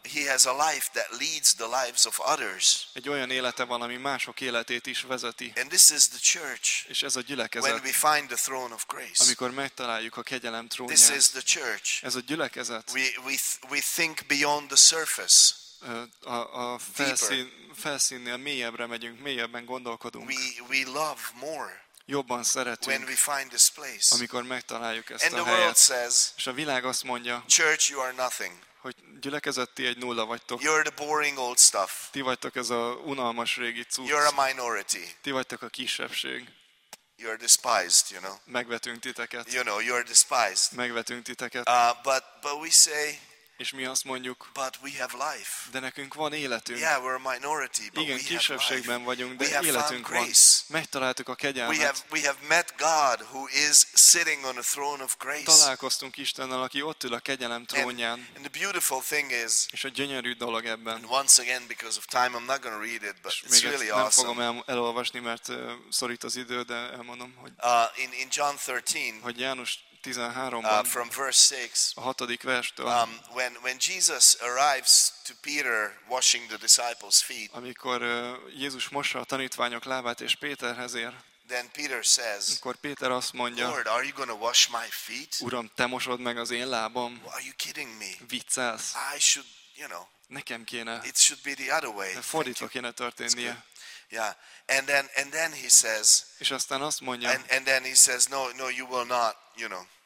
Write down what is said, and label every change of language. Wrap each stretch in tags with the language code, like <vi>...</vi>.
<en>He has a life that leads the lives of others.</en> <hu>Egy olyan élete van, ami mások életét is vezeti.</hu> <en>And this is the church.</en> <hu>És ez a gyülekezet.</hu> <en>When we find the throne of grace.</en> <hu>Amikor megtaláljuk a kegyelem trónját.</hu> <en>This is the church.</en> <hu>Ez a gyülekezet.</hu> <en>We think beyond the surface.</en> <hu>A felszínnél mélyebbre megyünk, mélyebben gondolkodunk.</hu> <en>We love more.</en> <hu>Jobban szeretünk,</hu> <en>when we find this place.</en> <hu>Amikor megtaláljuk ezt</hu> <en>and</en> <hu>a helyet.</hu> <en>World says,</en> <hu>és a világ azt mondja,</hu> <en>church, you are nothing.</en> <hu>Hogy gyülekezet, ti egy nulla vagytok.</hu> <en>You're the boring old stuff.</en> <hu>Ti vagytok ez a unalmas régi cucc.</hu> <en>You're a minority.</en> <hu>Ti vagytok a kisebbség.</hu> <en>You're despised, you know.</en> <hu>Megvetünk titeket.</hu> <en>You know, you're despised.</en> <hu>Megvetünk titeket.</hu> <en>But we say,</en> <hu>és mi azt mondjuk,</hu> <en>but we have life.</en> <hu>De nekünk van életünk.</hu> <en>Yeah, we're a minority, but</en> <hu>igen, kisebbségben vagyunk, de</hu> <en>we have</en> <hu>életünk van. Megtaláltuk a kegyelmet.</hu> <en>We have met God who is sitting on a throne of grace.</en> <hu>Találkoztunk Istennel, aki ott ül a kegyelem trónján.</hu> <en>And the beautiful thing is,</en> <hu>és a gyönyörű dolog ebben.</hu> <en>And once again, because of time, I'm not going to read it, but it's really awesome.</en> <hu>Nem fogom elolvasni, mert szorít az idő, de elmondom, hogy</hu> <en>in John 13,</en> <hu>hogy János 13-ban,</hu> <en>from verse 6,</en> <hu>a 6. verstől,</hu> <en>when Jesus arrives to Peter washing the disciples' feet,</en> <hu>amikor Jézus mossa a tanítványok lábát és Péterhez ér,</hu> <en>then Peter says,</en> <hu>akkor Péter azt mondja,</hu> <en>Lord, are you going to wash my feet?</en> <hu>Uram, te mosod meg az én lábam?</hu> <en>Are you kidding me?</en> <hu>Viccelsz?</hu> <en>I should, you know,</en> <hu>nekem kéne.</hu> <en>It should be the other way.</en> <hu>Fordítva kéne történnie.</hu> <en>Yeah, and then he says,</en> <hu>és aztán azt mondja,</hu> <en>and then he says, no, you will not, you know.</en>